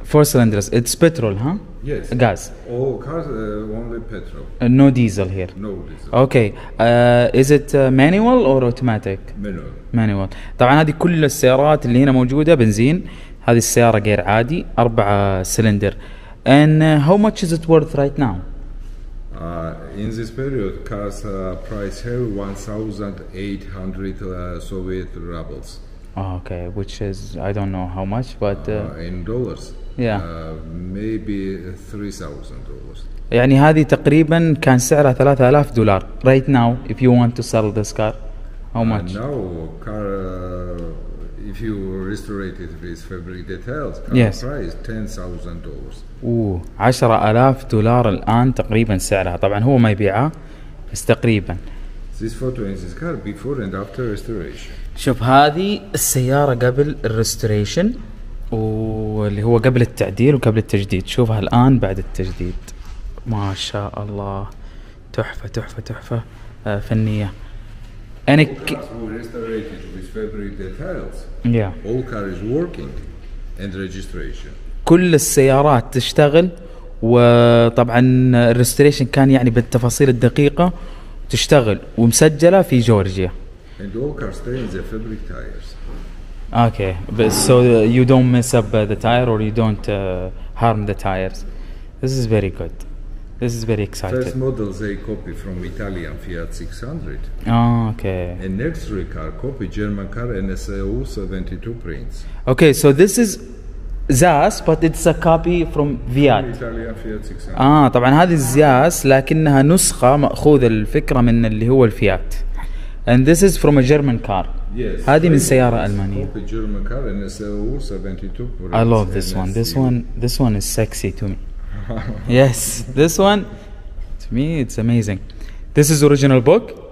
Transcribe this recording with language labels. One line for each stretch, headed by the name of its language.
English: Four cylinders. It's petrol, huh? Yes. Gas. Oh, cars only petrol. No diesel here. No diesel. Okay. Is it manual or automatic? Manual. Manual.
Arabic: طبعا هذه كل السيارات اللي هنا موجودة بنزين. هذه السيارة غير عادي، أربعة سيلندر.
English: And how much is it worth right now? In this period, cars price here 1,800 Soviet rubles. Oh, okay, which is, I don't know how much, but... In dollars? Yeah. Maybe $3,000.
Arabic: يعني هذه تقريباً كان سعرها
English: $3,000 right now, if you want to sell this car. How much? Now, car... If you restore it with fabric details, yes. price $10,000. Ooh, 10,000 dollars.
Arabic: الآن تقريباً سعرها. طبعاً هو ما يبيعها، بس تقريباً.
English: This photo is this car before and after restoration.
Arabic: شوف هذه السيارة قبل restoration، واللي هو قبل التعديل وقبل التجديد. شوفها الآن بعد التجديد. ما شاء الله، تحفة تحفة تحفة فنية.
English: And all cars were restored with fabric details. Yeah. All car is working and registration.
Arabic: كل السيارات تشتغل، وطبعا الريستوريشن كان يعني بالتفاصيل الدقيقة تشتغل ومسجلة في جورجيا.
English: And all cars stay in the fabric tires. Okay, but so you don't mess up the tire or you don't harm the tires. This is very good. This is very exciting. First model they copy from Italian Fiat 600. Oh, okay. And next three car copy German car NSAU 72 Prince. Okay, so this is ZAS, but it's a copy from Fiat. Italian Fiat 600.
Arabic: آه، طبعاً هذه ZAS، لكنها نسخة مأخوذة الفكرة من اللي هو الفيات.
English: And this is from a German car. Yes.
Arabic: هذه من سيارة ألمانية.
English: Copy German car NSAU 72 Prince. I love this NSA. one. This one is sexy to me. yes, this one to me it's amazing. This is original book.